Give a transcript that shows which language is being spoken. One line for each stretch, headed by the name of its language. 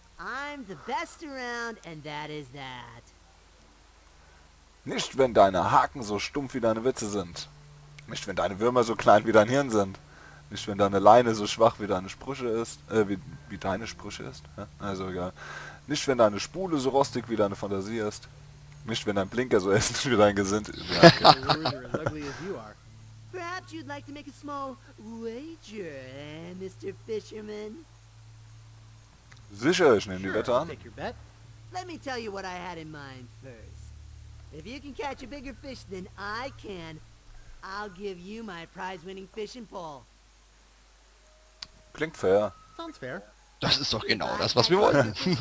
English: I'm the best around, and that is that.
German: Nicht, wenn deine Haken so stumpf wie deine Witze sind. Nicht, wenn deine Würmer so klein wie dein Hirn sind. Nicht, wenn deine Leine so schwach wie deine Sprüche ist. Wie deine Sprüche ist. Also egal. Nicht, wenn deine Spule so rostig wie deine Fantasie ist. Nicht, wenn dein Blinker so essen wie dein Gesind ist. Ja, okay.
English: Perhaps you'd like to make a small wager, Mr. Fisherman?
German: Sicher, ich nehme die Wette an.
English: Let me tell you what I had in mind first. If you can catch a bigger fish than I can, I'll give you my prize-winning fishing pole.
German: Klingt fair.
English: Sounds fair.
German: Das ist doch genau das, was wir wollten.